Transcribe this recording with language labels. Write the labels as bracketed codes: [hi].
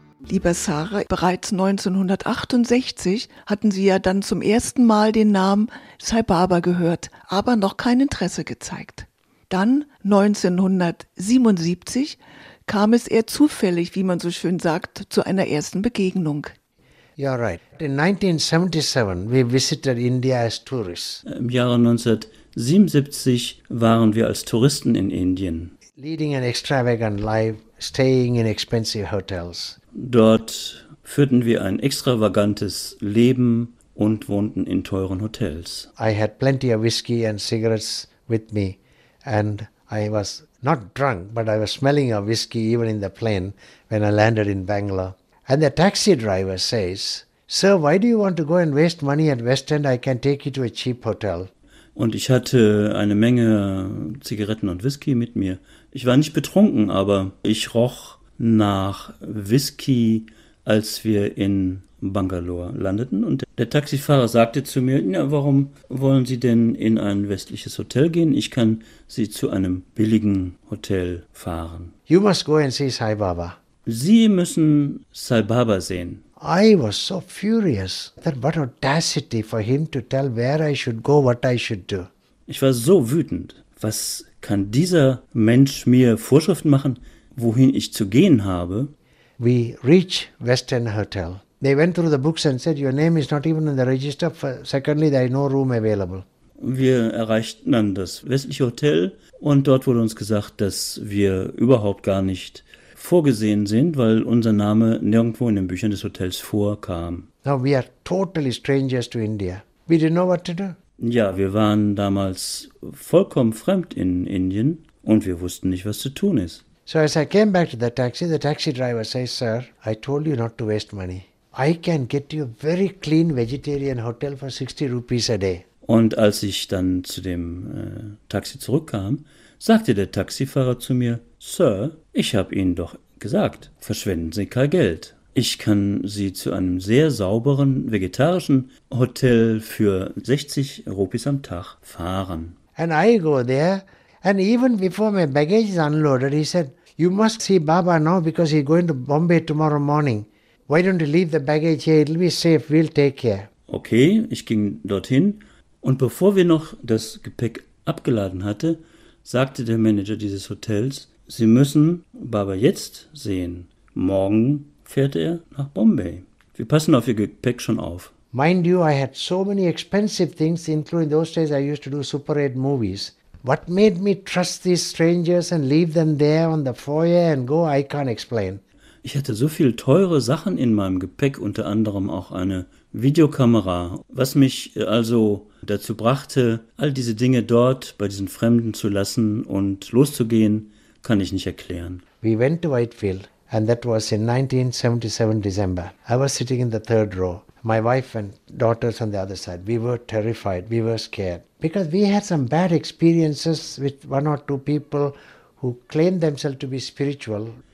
[de] Lieber Sara, bereits 1968 hatten Sie ja dann zum ersten Mal den Namen Sai Baba gehört, aber noch kein Interesse gezeigt. Dann 1977 kam es eher zufällig, wie man so schön sagt, zu einer ersten Begegnung. [en] Ja, right. In 1977 we visited India as tourists. [de] Im Jahre 1977 waren wir als Touristen in Indien. [en] Leading an extravagant life, staying in expensive hotels. [de] Dort führten wir ein extravagantes Leben und wohnten in teuren Hotels. [en] I had plenty of whiskey and cigarettes with me and I was not drunk, but I was smelling of whiskey even in the plane when I landed in Bangalore. And the taxi driver says, "Sir, why do you want to go and waste money at West End? I can take you to a cheap hotel." [de] Und ich hatte eine Menge Zigaretten und Whisky mit mir. Ich war nicht betrunken, aber ich roch nach Whisky, als wir in Bangalore landeten. Und der Taxifahrer sagte zu mir, ja, warum wollen Sie denn in ein westliches Hotel gehen? Ich kann Sie zu einem billigen Hotel fahren. [en] You must go and see Sai Baba. [de] Sie müssen Sai Baba sehen. [en] I was so furious that what audacity for him to tell where I should go, what I should do. [de] Ich war so wütend. Was kann dieser Mensch mir Vorschriften machen, wohin ich zu gehen habe? [en] We reached West End Hotel. They went through the books and said, "Your name is not even in the register. Secondly, there is no room available." [de] Wir erreichten dann das westliche Hotel und dort wurde uns gesagt, dass wir überhaupt gar nicht vorgesehen sind, weil unser Name nirgendwo in den Büchern des Hotels vorkam. [en] Now we are totally strangers to India. We didn't know what to do. [de] Ja, wir waren damals vollkommen fremd in Indien und wir wussten nicht, was zu tun ist. [en] So as I came back to the taxi driver says, "Sir, I told you not to waste money. I can get you a very clean vegetarian hotel for 60 rupees a day." [de] Und als ich dann zu dem Taxi zurückkam, sagte der Taxifahrer zu mir, "Sir, ich habe Ihnen doch gesagt, verschwenden Sie kein Geld. Ich kann Sie zu einem sehr sauberen vegetarischen Hotel für 60 Rupees am Tag fahren." [en] And I go there, and even before my baggage is unloaded, he said, "You must see Baba now because he's going to Bombay tomorrow morning. Why don't you leave the baggage here? It'll be safe. We'll take care." [de] Okay, ich ging dorthin und bevor wir noch das Gepäck abgeladen hatten, sagte der Manager dieses Hotels, "Sie müssen Baba jetzt sehen. Morgen fährt er nach Bombay. Wir passen auf Ihr Gepäck schon auf." [en] Mind you, I had so many expensive things, including those days I used to do Super 8 movies. What made me trust these strangers and leave them there on the foyer and go, I can't explain. [de] Ich hatte so viele teure Sachen in meinem Gepäck, unter anderem auch eine Videokamera, was mich also dazu brachte, all diese Dinge dort bei diesen Fremden zu lassen und loszugehen, kann ich nicht erklären. [en] We went to Whitefield and that was in 1977 December. I was sitting in the third row. My wife and daughters on the other side. We were terrified. We were scared. Because we had some bad experiences with one or two people who claimed themselves to be spiritual.